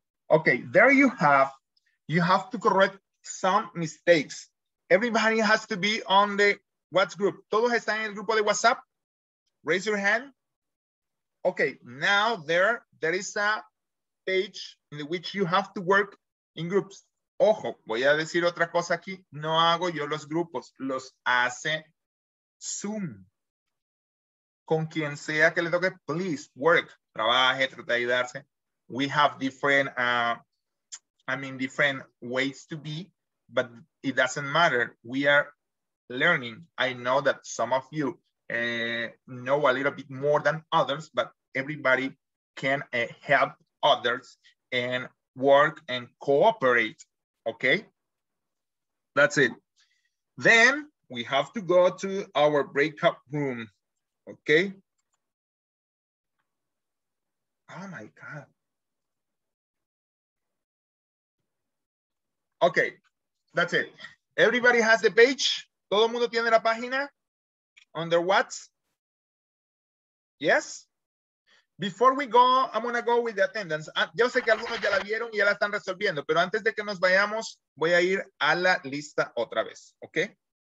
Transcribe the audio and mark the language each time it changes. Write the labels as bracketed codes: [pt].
[en] Okay, there you have. You have to correct some mistakes. Everybody has to be on the WhatsApp group. [es] Todos están en el grupo de WhatsApp. [en] Raise your hand. Okay, now there is a page in which you have to work in groups. [es] Ojo, voy a decir otra cosa aquí. No hago yo los grupos, los hace Zoom. Con quien sea que le toque, [en] please work. [es] Trabaje, trate de ayudarse. [en] We have different, different ways to be, but it doesn't matter. We are learning. I know that some of you know a little bit more than others, but everybody can help others and work and cooperate, okay? That's it. Then we have to go to our breakout room. Okay. Oh my God. Okay, that's it. Everybody has the page? [es] Todo mundo tiene la página? [en] Under what? Yes? Before we go, I'm gonna go with the attendance. [es] Yo sé que algunos ya la vieron y ya la están resolviendo, pero antes de que nos vayamos, voy a ir a la lista otra vez, okay?